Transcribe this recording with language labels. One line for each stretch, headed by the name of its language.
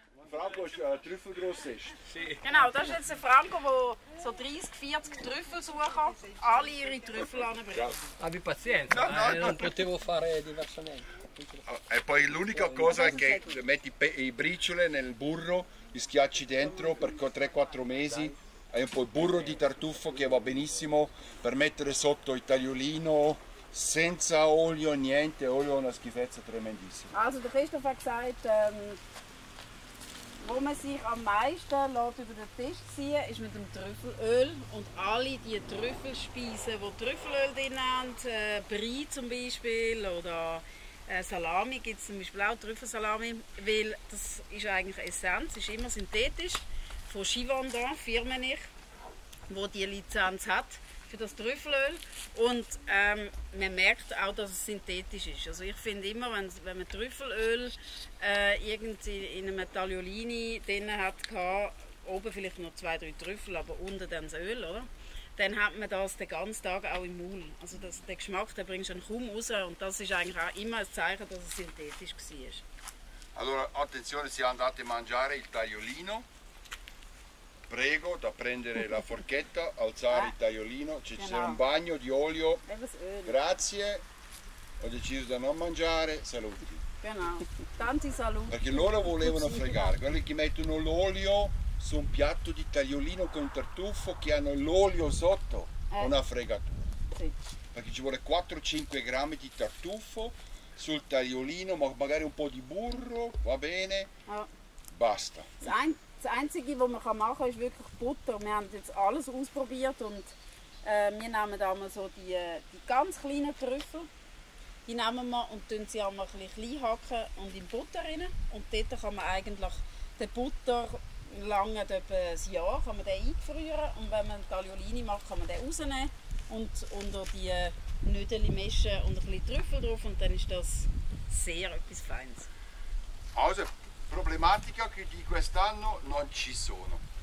German: Franco ist ein Trüffelgrossist. Genau, das ist jetzt ein Franco, der so 30, 40 Trüffel suchen, alle ihre Trüffel anbringt.
Italian: Abbi pazienza, non potevo fare diversamente. E poi l'unica cosa è che metti i briciole nel burro, li schiacci dentro per 3-4 mesi. E poi burro di tartufo che va benissimo per mettere sotto il tagliolino senza olio, niente, olio è una schifezza tremendissima.
German: Also der Christoph hat gesagt, wo man sich am meisten lässt über den Tisch ziehen, ist mit dem Trüffelöl. Und alle die Trüffelspeisen, die Trüffelöl drin haben, Brie zum Beispiel oder Salami, gibt es zum Beispiel auch Trüffelsalami, weil das ist eigentlich Essenz, ist immer synthetisch. Von Givaudan, Firma ich, wo die Lizenz hat für das Trüffelöl, und man merkt auch, dass es synthetisch ist. Also ich finde immer, wenn man Trüffelöl irgendwie in einem Tagliolini drin hat, oben vielleicht noch 2-3 Trüffel, aber unten dann das Öl, oder? Dann hat man das den ganzen Tag auch im Mund. Also das, den Geschmack, den bringst du dann kaum raus, und das ist eigentlich auch immer ein Zeichen, dass es synthetisch war.
Italian: Allora, attenzione, se andate a mangiare il tagliolino, prego, da prendere la forchetta, alzare il tagliolino, c'è un bagno di olio. Grazie, ho deciso di non mangiare, saluti. Tanti saluti. Perché loro volevano fregare, quelli che mettono l'olio su un piatto di tagliolino con tartufo che hanno l'olio sotto, una fregatura. Perché ci vuole 4-5 grammi di tartufo sul tagliolino, ma magari un po' di burro, va bene, basta.
German: Das Einzige, was man machen kann, ist wirklich Butter. Wir haben jetzt alles ausprobiert, und wir nehmen da mal so die ganz kleinen Trüffel. Die nehmen wir und tun sie einmal ein bisschen klein hacken und in Butter rein. Und dort kann man eigentlich den Butter lange, etwa ein Jahr, kann man den einfrieren. Und wenn man Tagliolini macht, kann man den rausnehmen und unter die Nudeln mischen und ein bisschen Trüffel drauf. Und dann ist das sehr etwas Feines. Also.
Italian: Problematica che di quest'anno non ci sono.